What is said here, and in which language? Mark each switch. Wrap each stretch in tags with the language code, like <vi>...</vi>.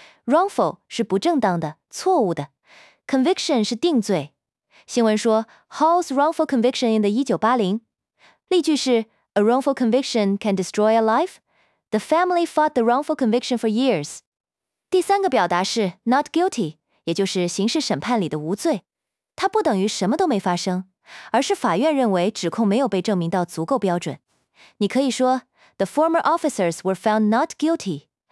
<zh>Wrongful 是不正当的，错误的。Conviction 是定罪。新闻说</zh> <en>Hall's wrongful conviction in the 1980。</en> <zh>例句是</zh> <en>A wrongful conviction can destroy a life? The family fought the wrongful conviction for years.</en> <zh>第三个表达是 not guilty， 也就是刑事审判里的无罪。它不等于什么都没发生，而是法院认为指控没有被证明到足够标准。你可以说</zh> <en>The former officers were found not guilty.</en>